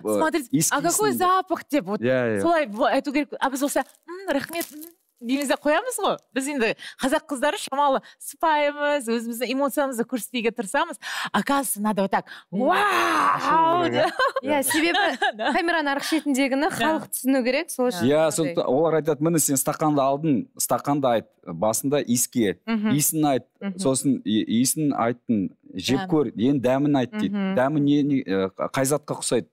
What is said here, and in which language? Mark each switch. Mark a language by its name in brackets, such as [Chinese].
[Russian] Смотрите, а какой запах [Kazakh] деп. Солай айту керек. А біз болса, рахмет. Дейімізде қоямыз ғой, біз енді қазақ қыздары шамалы сыпайымыз, өзіміздің эмоциямызды көрсетуге тырысамыз. [Russian] Оказывается, надо вот так, вау! [Kazakh] Себебі камераның арғы шетіндегіні халық түсіну керек, сол үшін. Олар айтады, міне сен стақанды алдың, стақанды айт, басында иіске, иісін айт, сосын иісін айттын, жеп көр, ең дәмін айт дейді, дәмін қай затқа құсайды.